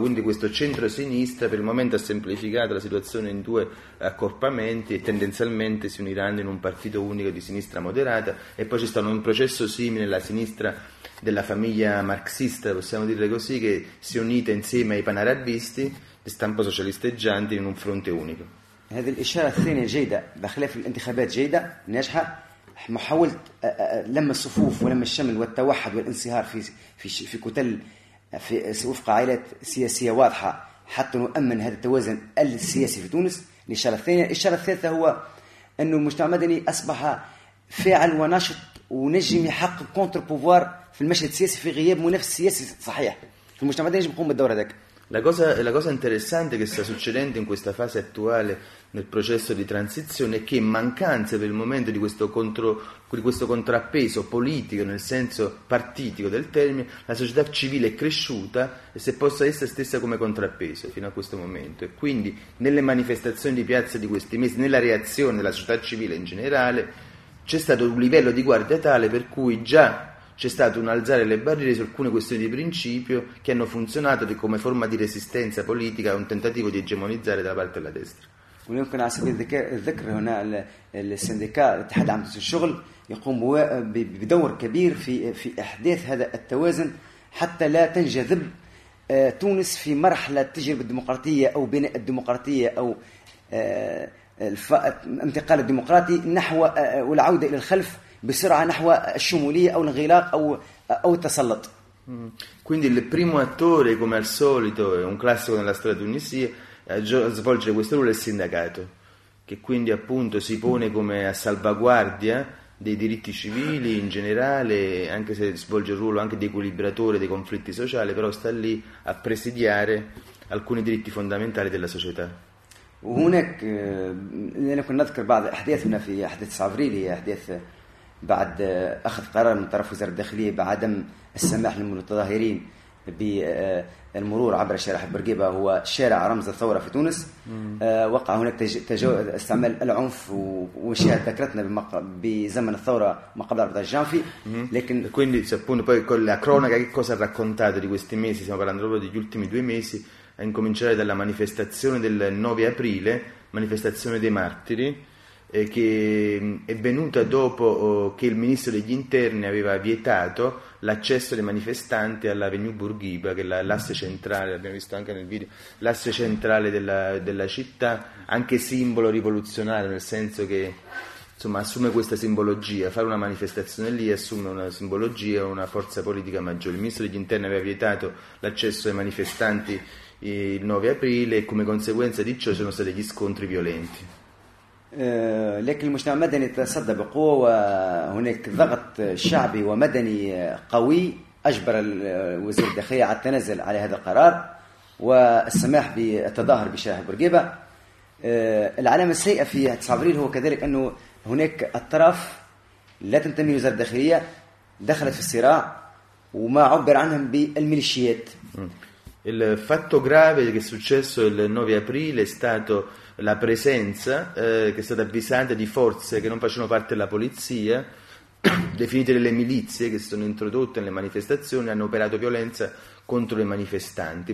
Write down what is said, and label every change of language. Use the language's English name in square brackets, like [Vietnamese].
[Italian] Quindi questo centro-sinistra per il momento ha semplificato la situazione in due accorpamenti e tendenzialmente si uniranno in un partito unico di sinistra moderata, e poi ci sta un processo simile alla sinistra della famiglia marxista, possiamo dire così, che si è unita insieme ai panarabisti di stampo socialisteggiante in un fronte unico. [Arabic] هذه الإشارة الثانية جيدة بخلاف الانتخابات جيدة ناجحة محاولة لم الصفوف ولم الشمل والتوحد والانصهار في في في كتل في وفق عائلات سياسية واضحة حتى نؤمن هذا التوازن السياسي في تونس. الإشارة الثانية الإشارة الثالثة هو أنه المجتمع المدني أصبح فاعل ونشط ونجم يحقق كونتر بوفوار في المشهد السياسي في غياب منافس سياسي صحيح في المجتمع المدني يجب يقوم بالدور هذاك. [Italian] La cosa interessante che sta succedendo in questa fase attuale nel processo di transizione è che in mancanza per il momento di questo contrappeso politico nel senso partitico del termine, la società civile è cresciuta e se possa essere stessa come contrappeso fino a questo momento. E quindi nelle manifestazioni di piazza di questi mesi, nella reazione della società civile in generale, c'è stato un livello di guardia tale per cui già c'è stato un alzare le barriere su alcune questioni di principio che hanno funzionato come forma di resistenza politica a un tentativo di egemonizzare da parte della destra. [Arabic] ويمكن على سبيل الذكر هنا السندكاء الاتحاد عامة الشغل يقوم بدور كبير في احداث هذا التوازن حتى لا تنجذب تونس في مرحلة تجربة الديمقراطية او بناء الديمقراطية او الانتقال الديمقراطي نحو والعودة الى الخلف بسرعة نحو الشمولية أو الانغلاق أو التسلط. [Italian] Quindi il primo attore, come al solito, è un classico nella storia tunisina, a svolgere questo ruolo è il sindacato, che quindi appunto si pone come a salvaguardia dei diritti civili in generale, anche se svolge il ruolo anche di equilibratore dei conflitti sociali, però sta lì a presidiare alcuni diritti fondamentali della società. [Arabic] وهناك لنكن نذكر بعض أحداثنا في أحداث أفريل هي أحداث بعد أخذ قرار من طرف وزارة الداخلية بعدم السماح للمتظاهرين بالمرور عبر شارع برقيبة هو شارع رمز الثورة في تونس. وقع هناك استعمال العنف وشاهد ذكرتنا بزمن الثورة ما قبل 14 جانفي. لكن [Italian] quindi appunto poi con la cronaca che cosa ha raccontato di questi mesi, stiamo parlando proprio degli ultimi due mesi, a incominciare dalla manifestazione del 9 aprile, manifestazione dei martiri, che è venuta dopo che il ministro degli interni aveva vietato l'accesso dei manifestanti alla Avenue Bourguiba, che è l'asse centrale, l'abbiamo visto anche nel video, l'asse centrale della città, anche simbolo rivoluzionario, nel senso che insomma assume questa simbologia, fare una manifestazione lì assume una simbologia, una forza politica maggiore. Il ministro degli interni aveva vietato l'accesso ai manifestanti il 9 aprile e come conseguenza di ciò ci sono stati degli scontri violenti. [Arabic] لكن المجتمع المدني تصدى بقوة وهناك ضغط شعبي ومدني قوي أجبر وزير الداخلية على التنازل على هذا القرار والسماح بالتظاهر بشارع بورقيبة. العلامة السيئة في 9 أبريل هو كذلك أنه هناك أطراف لا تنتمي لوزارة الداخلية دخلت في الصراع وما عبر عنهم بالميليشيات. [Italian] Il fatto grave che è successo il 9 aprile è stato la presenza che è stata avvisata di forze che non facevano parte della polizia, definite delle milizie, che si sono introdotte nelle manifestazioni e hanno operato violenza contro i manifestanti.